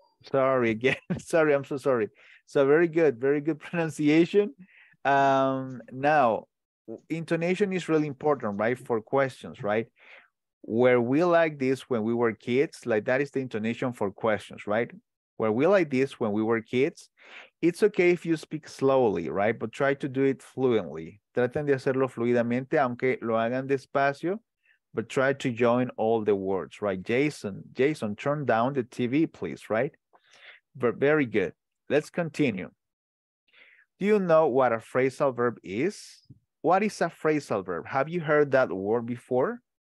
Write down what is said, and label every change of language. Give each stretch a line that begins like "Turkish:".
English: Sorry again. Sorry, I'm so sorry. So very good. Very good pronunciation. Now, intonation is really important, right? For questions, right? Were we like this when we were kids? Like that is the intonation for questions, right? Were we like this when we were kids? It's okay if you speak slowly, right? But try to do it fluently.
Spanish: Traten de hacerlo fluidamente, aunque lo hagan despacio.
English: But try to join all the words, right? Jason, turn down the TV, please, right? Very good. Let's continue. Do you know what a phrasal verb is? What is a phrasal verb? Have you heard that word before?